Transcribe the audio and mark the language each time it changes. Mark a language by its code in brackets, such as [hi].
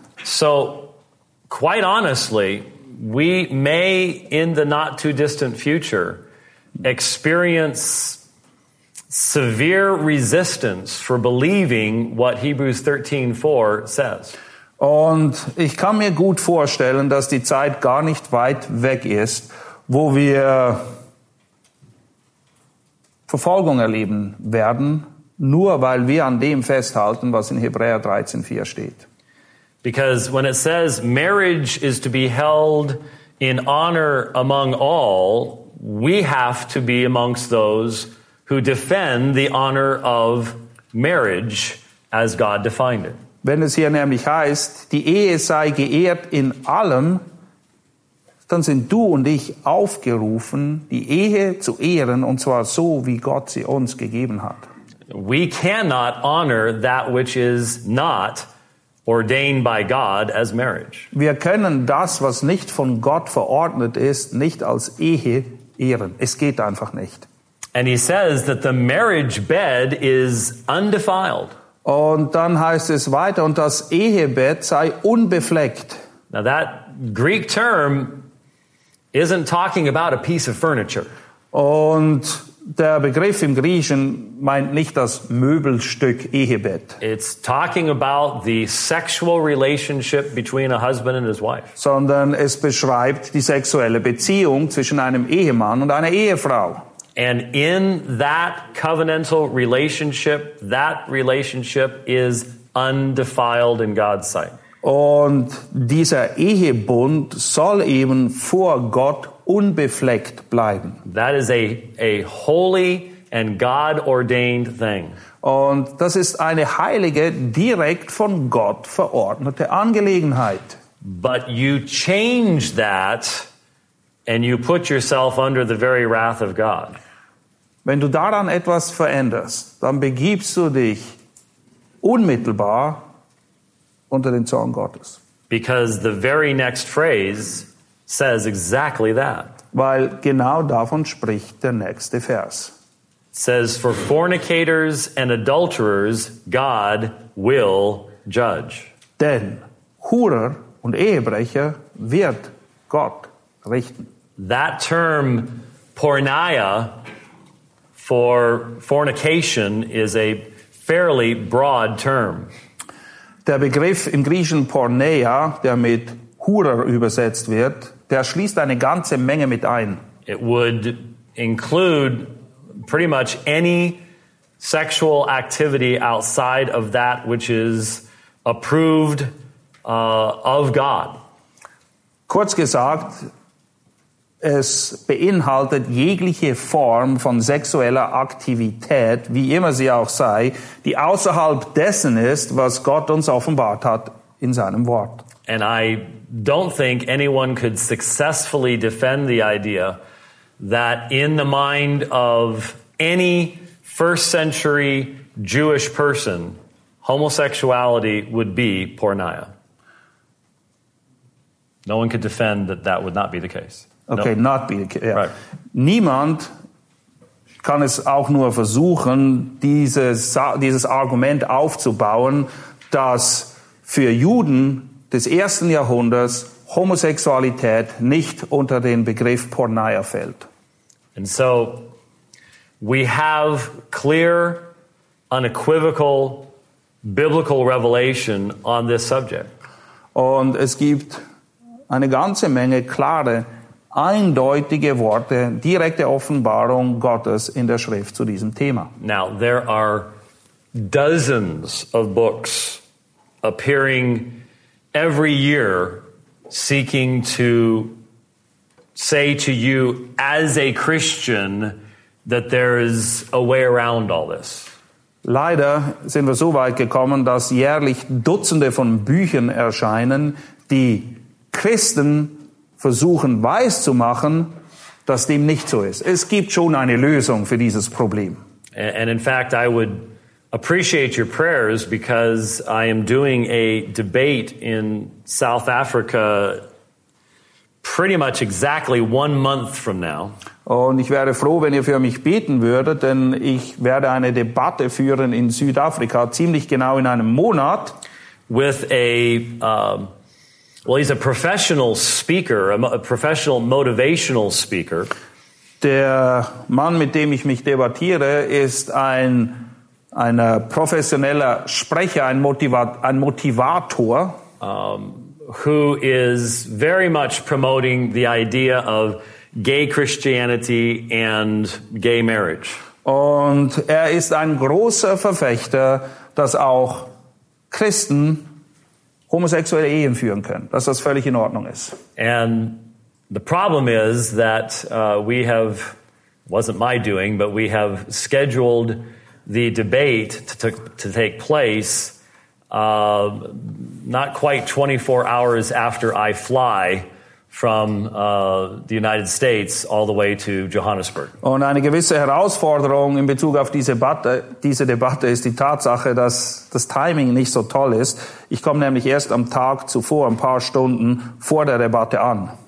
[en] So, quite honestly, we may in the not too distant future experience severe resistance for believing what Hebrews 13:4 says. [de] Und ich kann mir gut vorstellen, dass die Zeit gar nicht weit weg ist, wo wir Verfolgung erleben werden, nur weil wir an dem festhalten, was in Hebräer 13:4 steht. [en] Because when it says marriage is to be held in honor among all, we have to be amongst those who defend the honor of marriage as God defined it. [de] Wenn es hier nämlich heißt, die Ehe sei geehrt in allem, dann sind du und ich aufgerufen, die Ehe zu ehren, und zwar so, wie Gott sie uns gegeben hat. [en] we cannot honor that which is not ordained by God as marriage. [de] Wir können das, was nicht von Gott verordnet ist, nicht als Ehe ehren. Es geht einfach nicht. [en] And he says that the marriage bed is undefiled. [de] Und dann heißt es weiter, und das Ehebett sei unbefleckt. [en] Now that Greek term isn't talking about a piece of furniture. [de] Und der Begriff im Griechischen meint nicht das Möbelstück Ehebett. [en] It's talking about the sexual relationship between a husband and his wife. [de] Sondern es beschreibt die sexuelle Beziehung zwischen einem Ehemann und einer Ehefrau. [en] And in that covenantal relationship, that relationship is undefiled in God's sight. [de] Und dieser Ehebund soll eben vor Gott unbefleckt bleiben. [en] That is a holy and God-ordained thing. [de] Und das ist eine heilige, direkt von Gott verordnete Angelegenheit. [en] But you change that and you put yourself under the very wrath of God. [de] Wenn du daran etwas veränderst, dann begibst du dich unmittelbar unter den Zorn Gottes. [en] Because the very next phrase says exactly that. [de] Weil genau davon spricht der nächste Vers. [en] It says, for fornicators and adulterers, God will judge. [de] Denn Hurer und Ehebrecher wird Gott richten. [en] That term, porneia, for fornication is a fairly broad term. [de] Der Begriff im Griechischen porneia, der mit Hurer übersetzt wird, der schließt eine ganze Menge mit ein. [en] It would include pretty much any sexual activity outside of that which is approved of God. [de] Kurz gesagt, es beinhaltet jegliche Form von sexueller Aktivität, wie immer sie auch sei, die außerhalb dessen ist, was Gott uns offenbart hat in seinem Wort. [en] And I don't think anyone could successfully defend the idea that in the mind of any first century Jewish person, homosexuality would be porneia. No one could defend that that would not be the case. Okay, nope. Not be the case. Yeah. Right. [de] Niemand kann es auch nur versuchen, dieses Argument aufzubauen, dass für Juden des ersten Jahrhunderts Homosexualität nicht unter den Begriff Porneia fällt. [en] And so we have clear, unequivocal biblical revelation on this subject. [de] Und es gibt eine ganze Menge klare, eindeutige Worte, direkte Offenbarung Gottes in der Schrift zu diesem Thema. [en] Now, there are dozens of books appearing every year seeking to say to you as a Christian that there is a way around all this. [de] Leider sind wir so weit gekommen, dass jährlich Dutzende von Büchern erscheinen, die Christen versuchen weiß zu machen, dass dem nicht so ist. Es gibt schon eine Lösung für dieses Problem. [en] And in fact, I would appreciate your prayers because I am doing a debate in South Africa pretty much exactly one month from now. [de] Und ich wäre froh, wenn ihr für mich beten würdet, denn ich werde eine Debatte führen in Südafrika ziemlich genau in einem Monat. [en] With a he's a professional speaker, a professional motivational speaker. [de] Der Mann, mit dem ich mich debattiere, ist ein professioneller Sprecher, ein Motivator. [en] Who is very much promoting the idea of gay Christianity and gay marriage. [de] Und er ist ein großer Verfechter, dass auch Christen homosexuelle Ehen führen können, dass das völlig in Ordnung ist. [en] And the problem is that we have, wasn't my doing, but we have scheduled the debate to take place not quite 24 hours after I fly from the United States all the way to Johannesburg. [de] Und eine gewisse Herausforderung in Bezug auf diese Debatte ist die Tatsache, dass das Timing nicht so toll ist. Ich komme nämlich erst am Tag zuvor, ein paar Stunden vor der Debatte an.